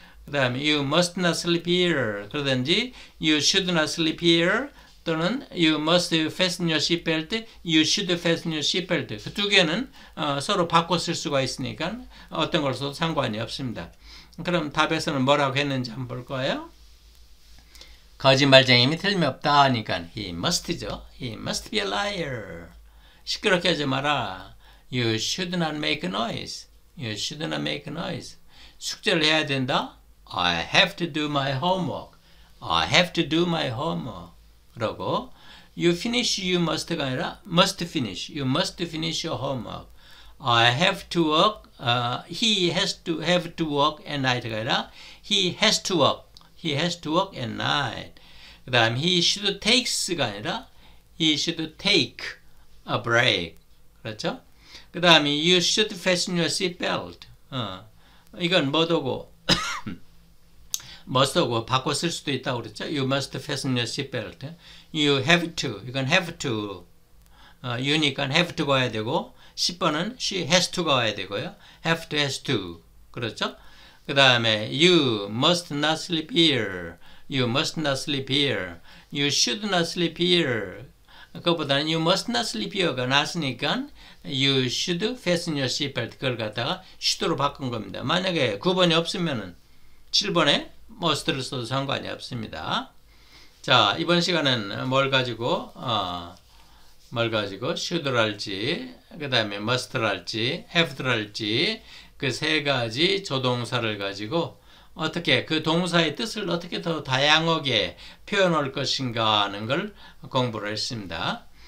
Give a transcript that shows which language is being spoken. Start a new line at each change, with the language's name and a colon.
Korean: 그 다음에
English: you must not sleep here.
Korean: 그러든지
English: you should not sleep here. 또는 you must fasten your seatbelt. You should fasten your seatbelt.
Korean: 그두 개는 서로 바꿔 쓸 수가 있으니까 어떤 걸 써도 상관이 없습니다. 그럼 답에서는 뭐라고 했는지 한번 볼 거예요. 거짓말쟁이면 틀림없다 하니까 he must죠.
English: He must be a liar.
Korean: 시끄럽게 하지 마라.
English: You should not make a noise. You should not make a noise.
Korean: 숙제를 해야 된다.
English: I have to do my homework. I have to do my homework.
Korean: 그러고
English: you finish, you must가 아니라 must finish. You must finish your homework. I have to work. He has to have to work at night가 아니라 he has to work. He has to work at night.
Korean: 그 다음
English: he should takes가 아니라 he should take a break.
Korean: 그렇죠? 그 다음에
English: you should fasten your seat belt.
Korean: 이건 뭐더고 must하고 바꿔 쓸 수도 있다고 그랬죠?
English: You must fasten your seat belt. You have to. 이건 have to.
Korean: you니까 have to 가야 되고 10번은 she has to 가야 되고요.
English: have to has to.
Korean: 그렇죠?
English: 그 다음에 you must not sleep here. You must not sleep here. You should not sleep here.
Korean: 그것보다는
English: you must not sleep here가 낫으니까 You should fasten your seatbelt.
Korean: 그걸 갖다가 should로 바꾼 겁니다. 만약에 9번이 없으면은 7번에 must를 써도 상관이 없습니다. 자, 이번 시간은 뭘 가지고 should랄지, 그 다음에 must랄지, have랄지 그세 가지 조동사를 가지고 어떻게 그 동사의 뜻을 어떻게 더 다양하게 표현할 것인가 하는 걸 공부를 했습니다.